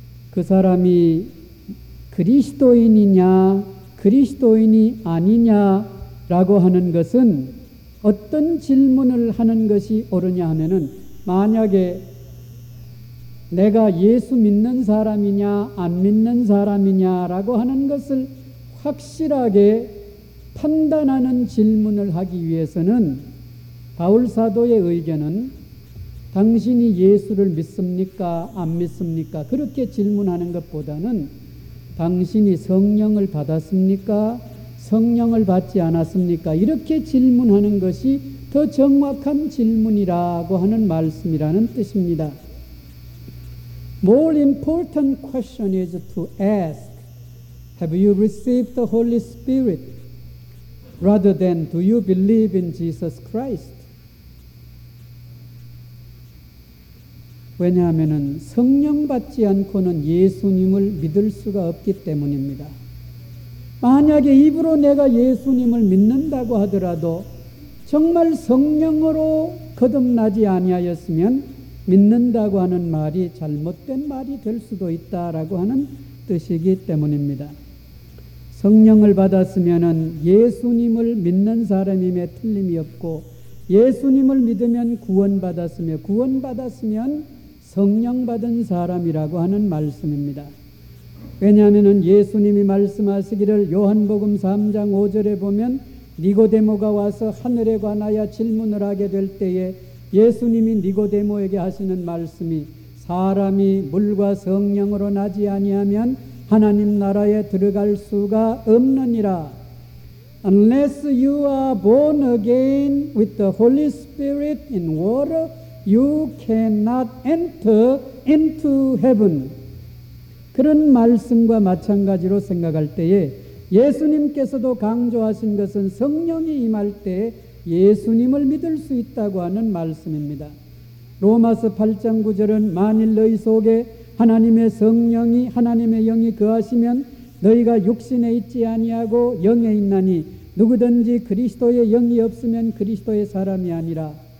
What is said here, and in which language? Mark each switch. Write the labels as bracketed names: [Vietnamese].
[Korean] 그 사람이 그리스도인이냐 그리스도인이 아니냐라고 하는 것은 어떤 질문을 하는 것이 옳으냐 하면은 만약에 내가 예수 믿는 사람이냐 안 믿는 사람이냐라고 하는 것을 확실하게 판단하는 질문을 하기 위해서는 바울사도의 의견은 당신이 예수를 믿습니까? 안 믿습니까? 그렇게 질문하는 것보다는 당신이 성령을 받았습니까? 성령을 받지 않았습니까? 이렇게 질문하는 것이 더 정확한 질문이라고 하는 말씀이라는 뜻입니다. [English] More important question is to ask, Have you received the Holy Spirit? Rather than, Do you believe in Jesus Christ? [Korean] 왜냐하면 성령 받지 않고는 예수님을 믿을 수가 없기 때문입니다. 만약에 입으로 내가 예수님을 믿는다고 하더라도 정말 성령으로 거듭나지 아니하였으면 믿는다고 하는 말이 잘못된 말이 될 수도 있다라고 하는 뜻이기 때문입니다. 성령을 받았으면은 예수님을 믿는 사람임에 틀림이 없고 예수님을 믿으면 구원받았으며 구원받았으면 성령받은 사람이라고 하는 말씀입니다. 왜냐하면 예수님이 말씀하시기를 요한복음 3장 5절에 보면 니고데모가 와서 하늘에 관하여 질문을 하게 될 때에 예수님이 니고데모에게 하시는 말씀이 사람이 물과 성령으로 나지 아니하면 하나님 나라에 들어갈 수가 없느니라. [English] Unless you are born again with the Holy Spirit in water, you cannot enter into heaven. [Korean] 그런 말씀과 마찬가지로 생각할 때에 예수님께서도 강조하신 것은 성령이 임할 때 예수님을 믿을 수 있다고 하는 말씀입니다. 로마서 8장 9절은 만일 너희 속에 하나님의 성령이 하나님의 영이 거하시면 너희가 육신에 있지 아니하고 영에 있나니 누구든지 그리스도의 영이 없으면 그리스도의 사람이 아니라.